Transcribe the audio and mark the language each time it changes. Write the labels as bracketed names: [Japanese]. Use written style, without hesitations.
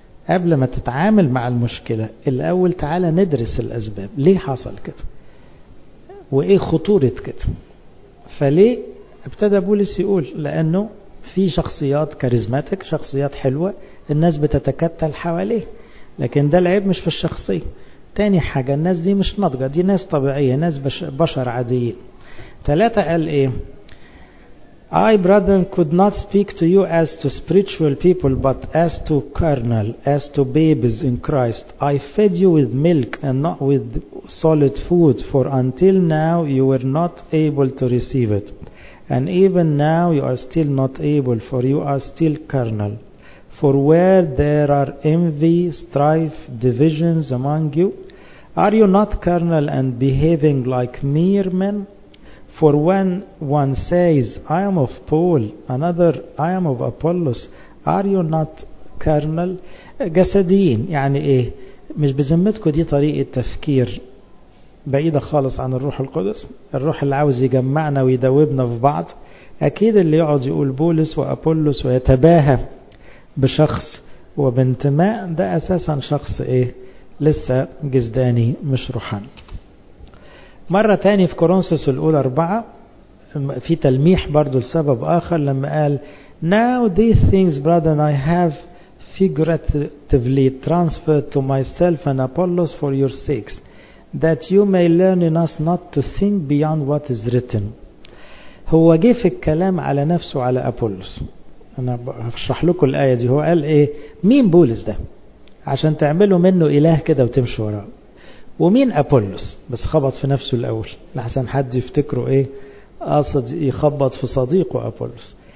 [Arabic] قبل ما تتعامل مع المشكلة الأول تعالى ندرس الأسباب، ليه حصل كده وإيه خطورة كده. فليه ابتدى بولس يقول؟ لأنه في شخصيات كاريزماتك، شخصيات حلوة، الناس بتتكتل حواليه، لكن ده العيب مش في الشخصية. تاني حاجة، الناس دي مش ناضجة، دي ناس طبيعية، ناس بشر عاديين. ثلاثة، قال ايه؟ [English] I brethren could not speak to you as to spiritual people but as to carnal, as to babies in Christ. I fed you with milk and not with solid food, for until now you were not able to receive it. And even now you are still not able, for you are still carnal. For where there are envy, strife, divisions among you, are you not carnal and behaving like mere men? For when one says, I am of Paul, another, I am of Apollos, are you not carnal? [Arabic] جسديين، يعني ايه؟ مش بذمتكم دي طريقة تفكير بعيدة خالص عن الروح القدس، الروح اللي عاوز يجمعنا ويدوبنا في بعض. أكيد اللي يقعد يقول بولس وأبولس ويتباهى بشخص وبانتماء، ده أساسا شخص إيه؟ لسه جزداني مش روحاني. مرة تاني في كورنثوس الأولى أربعة في تلميح برضو لسبب آخر، لما قال [English] Now these things brethren I have figuratively transferred to myself and Apollos for your sakes, that you may learn in us not to think beyond what is written. [Arabic] هو جه في الكلام على نفسه على أبولس. أنا هشرح لكم الآية دي. هو قال إيه؟ مين بولس ده؟ عشان تعملوا منه إله كده وتمشوا وراه. ومين أبولوس؟ بس خبط في نفسه الأول لحسن حد يفتكره إيه، قصد يخبط في صديقه أبولوس.